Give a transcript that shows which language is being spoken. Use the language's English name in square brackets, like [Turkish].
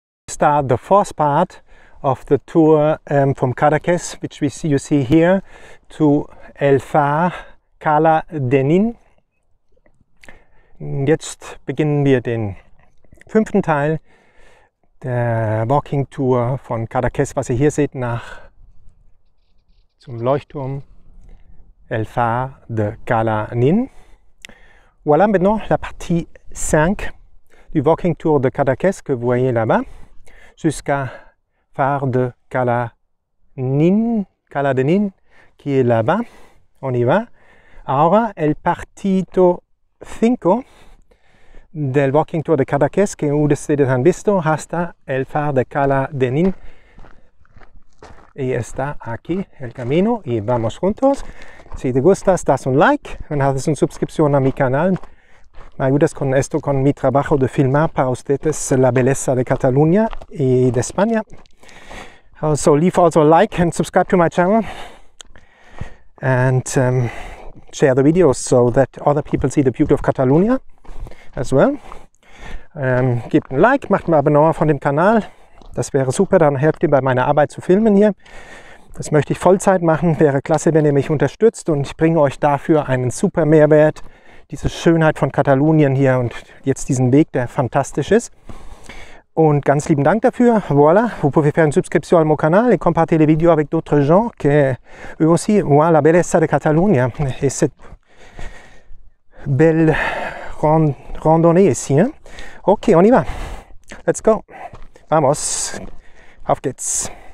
[English] start the fourth part of the tour from Cadaques, which we see, you see here, to El Far, Cala, Denin. [German] Jetzt beginnen wir den fünften Teil der Walking Tour von Cadaques, was ihr hier seht, nach zum Leuchtturm El Far de Cala Nin. [French] Voilà maintenant la partie 5 du Walking Tour de Cadaques que vous voyez là-bas jusqu'à Far de Cala Nin, Cala de Nin, qui est là-bas. On y va. [Spanish] Ahora el partito 5 del Walking Tour de Cadaques que ustedes han visto hasta el Far de Cala de Nin. Y está aquí el camino y vamos juntos. Si te gusta, das un like und haces una suscripción a mi canal. Me ayudas con esto, con mi trabajo de filmar para ustedes la belleza de Cataluña y de España. [English] Also, leave also a like and subscribe to my channel. And share the videos so that other people see the beauty of Catalonia as well. [German] Gebt ein Like, macht ein Abonnement von dem Kanal. Das wäre super, dann helft ihr bei meiner Arbeit zu filmen hier. Das möchte ich Vollzeit machen. Wäre klasse, wenn ihr mich unterstützt und ich bringe euch dafür einen super Mehrwert. Diese Schönheit von Katalonien hier und jetzt diesen Weg, der fantastisch ist. Und ganz lieben Dank dafür. [French] Voilà, vous pouvez faire une subscription à mon canal et compartir les vidéos avec d'autres gens qui eux aussi voient la belleza de Catalunya et cette belle randonnée ici. Hein? Ok, on y va. [English] Let's go. [French] Vamos. [German] Auf geht's.